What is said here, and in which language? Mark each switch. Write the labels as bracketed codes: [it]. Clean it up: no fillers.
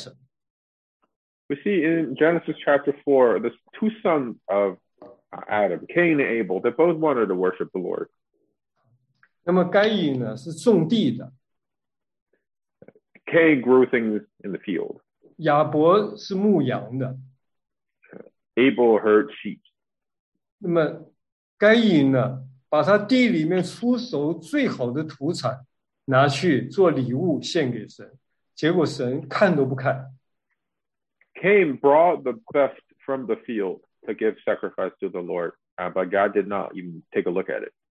[zh] 我们到了创世纪第四章，你看见了亚当的两个儿子，一个该隐，一个亚伯，他们有一天都想要去敬拜神。We [en] see in Genesis chapter 4, the two sons of Adam, Cain and Abel, they both wanted to worship the Lord. [zh] 那么该隐呢，是种地的。 [en] K grew things in the field. [zh] 亚伯是牧羊的。 [en] Abel herd sheep. [zh] 那么该隐呢，把他地里面出手最好的土产拿去做礼物献给神，结果神看都不看。Cain [en] brought the best from the field to give sacrifice to the Lord, but God did not even take a look at it.